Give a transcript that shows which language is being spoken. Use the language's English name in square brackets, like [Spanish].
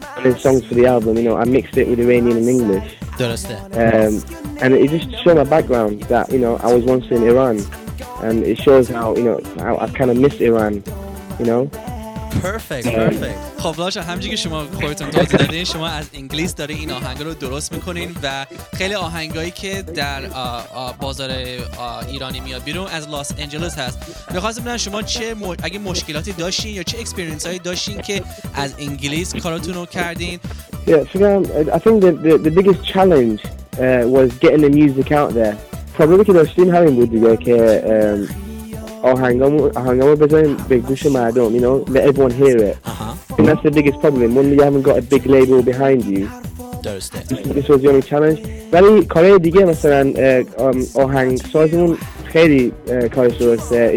[English] And songs for the album, you know, I mixed it with Iranian and English. [Persian] درسته. [English] And it just shows my background that, you know, I was once in Iran, and it shows how, you know, I kind of miss Iran, you know. Perfect. [Persian] خب لاشا، همچنین که شما خودتون توضیح دادین، شما از انگلیس داری این آهنگ رو درست میکنین و خیلی آهنگایی که در بازار ایرانی میاد بیرون از لاس انجلس هست. میخواستم ببینم شما چه اگه مشکلاتی داشتین یا چه اکسپیرینس هایی داشتین که از انگلیس کاراتون رو کردین؟ [English] I think the biggest challenge was getting the music out there. [Persian] Probably که داشتین همین بود دیگه که آهنگامو بزنیم به گوش مردم, [English] you know, let everyone hear it. Uh-huh. And that's the biggest problem when you haven't got a big label behind you. [Persian] درسته. [English] This was the only challenge. [Persian] ولی کارهای دیگه مثلا آهنگ سازمون خیلی کارش درسته.